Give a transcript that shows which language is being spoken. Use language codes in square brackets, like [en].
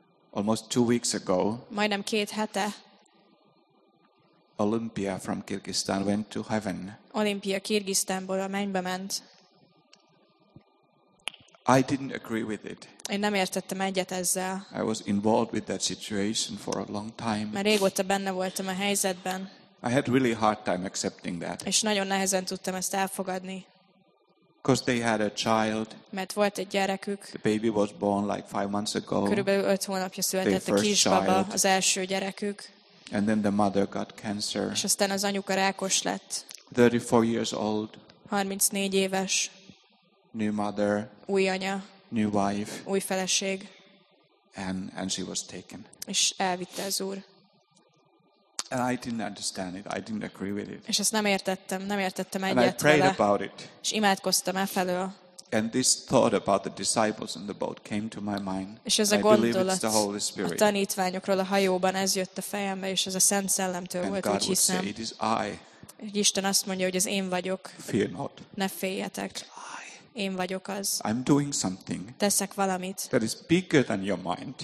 [en] Almost 2 weeks ago. [hu] Majdnem két hete. [en] Olympia from Kyrgyzstan went to heaven. [hu] Olympia Kirgisztánból a mennybe ment. [en] I didn't agree with it. [hu] Én nem értettem egyet ezzel. [en] I was involved with that situation for a long time. [hu] Már régóta benne voltam a helyzetben. [en] I had really hard time accepting that. [hu] És nagyon nehezen tudtam ezt elfogadni. [en] Because they had a child. [hu] Mert volt egy gyerekük. [en] The baby was born like 5 months ago. [hu] Körülbelül 5 hónapja született a kisbaba, az első gyerekük. [en] And then the mother got cancer. [hu] És aztán az anyuka rákos lett. [en] 34 years old. [hu] 34 éves. [en] New mother. [hu] Új anya. [en] New wife. [hu] Új feleség. [en] And she was taken. [hu] És elvitte az Úr. [en] And I didn't understand it. I didn't agree with it. [hu] És ezt nem értettem. Nem értettem egyet vele. [en] And I prayed about it. [hu] És imádkoztam e felől. [en] And this thought about the disciples in the boat came to my mind. [hu] És ez a gondolat a tanítványokról a hajóban ez jött a fejembe, és ez a Szent Szellemtől volt, úgy hiszem. [en] And God would say, it is I. [hu] Isten azt mondja, hogy ez én vagyok. [en] Fear not. [hu] Ne féljetek. Én vagyok az. [en] I'm doing something. [hu] Teszek valamit. [en] That is bigger than your mind.